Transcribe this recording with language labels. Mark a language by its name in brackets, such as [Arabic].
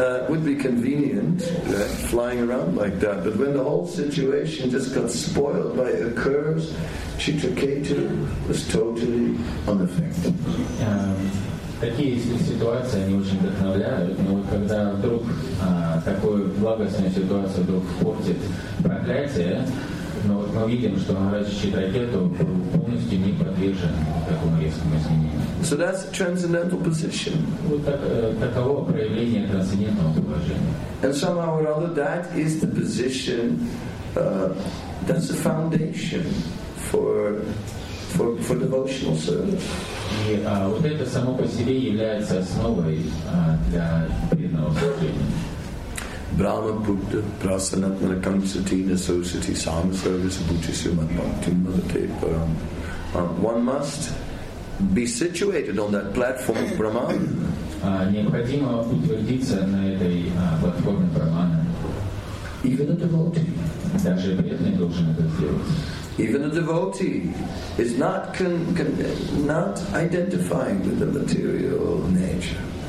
[English] Would be convenient flying around like that, but when the whole situation just got spoiled by a curse, Chitraketu was totally unaffected. [Russian] Такие ситуации они очень вдохновляют, но вот когда вдруг такую благостную ситуацию вдруг портит проклятие, но вот мы видим, что Махарадж Читракету полностью не подвержен такому резкому изменению. [English] So that's a transcendental position. [Russian] Вот таково проявление трансцендентного положения. [English] And somehow or other that is the position that's the foundation for devotional service. [Russian] И вот это само по себе является основой для преданного служения. [Sanskrit] Brahma Putta Prasanatmana Kamsatina Sosati Sama Service Bhutisuman Bhakti Mavate Param. [English] One must be situated on that platform of Brahman. [Russian] Необходимо утвердиться на этой платформе Брахмана. [English] Even a devotee. [Russian] Даже преданный должен это сделать. [English] Even a devotee is not not identifying with the material nature.